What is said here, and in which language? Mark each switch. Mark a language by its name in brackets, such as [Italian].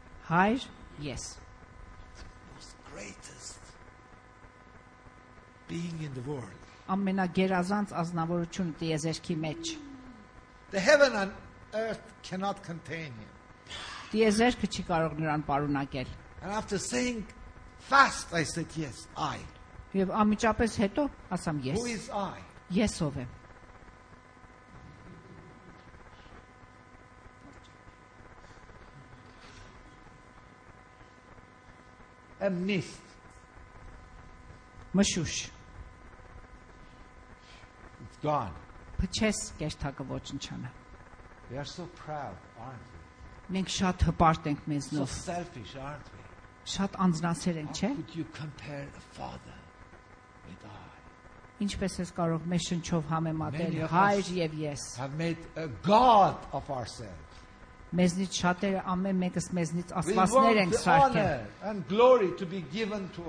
[Armenian] Հայր, yes. [English] The most greatest being in the world. [Armenian] Ամենագերազանց ազնվորությունը տիեզերքի մեջ։ [English] The heaven and earth cannot contain him. [Armenian] Տիեզերքը չի կարող նրան պարունակել։ [English] And after saying fast, I said yes, I. [Armenian] Եվ անմիջապես հետո ասամ yes. [English] Who is I? [Armenian] Ես ով եմ։ [English] A mist. [Armenian] Մշուշ. [English] It's gone. [Armenian] Փչես կերթակը ոչնչանա։ [English] We are so proud, aren't we? [Armenian] Մենք շատ հպարտ ենք մեզնով։ [English] So selfish, aren't we? [Armenian] Շատ անձնասեր ենք, չէ՞։ [English] How could you compare a father with I? [Armenian] Ինչպես ես կարող մեզ շնչով համեմատել հայր եւ ես։ [English] Have made a god of ourselves. [Armenian] Մեզնից շատերը ամեն մեկս մեզնից աստվածներ ենք սարքել։